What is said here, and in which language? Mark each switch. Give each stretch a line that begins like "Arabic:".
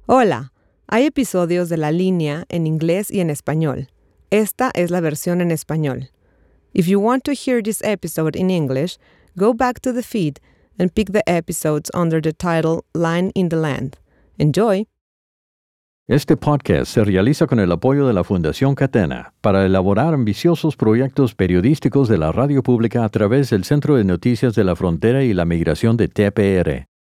Spanish: Hola, hay episodios de La Línea en inglés y en español. Esta es la versión en español.
English: If you want to hear this episode in English, go back to the feed and pick the episodes under the title Line in the Land. Enjoy.
Spanish: Este podcast se realiza con el apoyo de la Fundación Catena para elaborar ambiciosos proyectos periodísticos de la radio pública a través del Centro de Noticias de la Frontera y la Migración de TPR.